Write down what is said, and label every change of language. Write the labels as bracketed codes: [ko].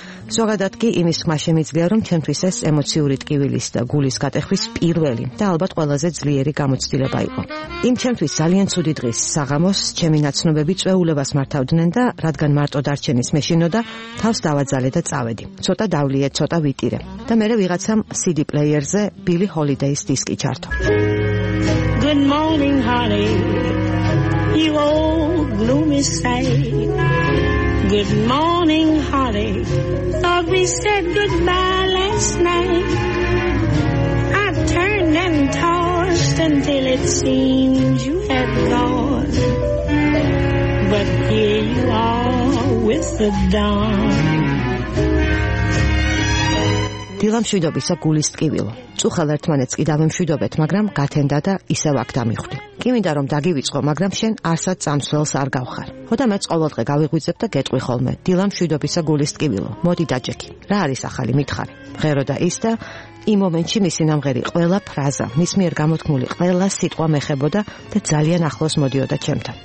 [ka] ზოგადად კი იმის ხმა შემიძლია, რომ ჩემთვის ეს ემოციური ტკივილის და გულის გატეხვის პირველი და ალბათ ყველაზე ძლიერი გამოცდილება იყო. იმ ჩემთვის ძალიან ცუდი დღის საღამოს ჩემი ნაცნობები წვეულებას მართავდნენ და რადგან მარტო დარჩენის მეშინოდა, თავს დავაძალე და წავედი. ცოტა დავლიე, ცოტა ვიტირე. და მერე ვიღაცამ CD პლეიერზე ბილი ჰოლიდეის დისკი ჩართო. [en] Good morning, honey, you old gloomy sight. Good morning, honey, thought we said goodbye last night. I turned and tossed until it seemed you had gone. But here you are with the dawn. [ka] დილამშვიდობისა გულის ტკივილო. წუხალ ერთმანეთს კიდევ ამშვიდობეთ, მაგრამ გათენდა და ისევ აქ დამიხვდი. კიმინდა რომ დაგივიწყო, მაგრამ შენ ასა წამსვლელს არ გავხარ. ხოდა მეც ყოველდღე გავიღვიძებ და გეტყვი ხოლმე. დილა მშვიდობისა გულის ტკივილო. მოდი დაჯექი. რა არის ახალი მითხარი? მღეროდა ის და იმ მომენტში მისი ნამღერი ყველა ფრაზა, მის მიერ გამოთქმული ყველა სიტყვა მეხებოდა და ძალიან ახლოს მოდიოდა ჩემთან.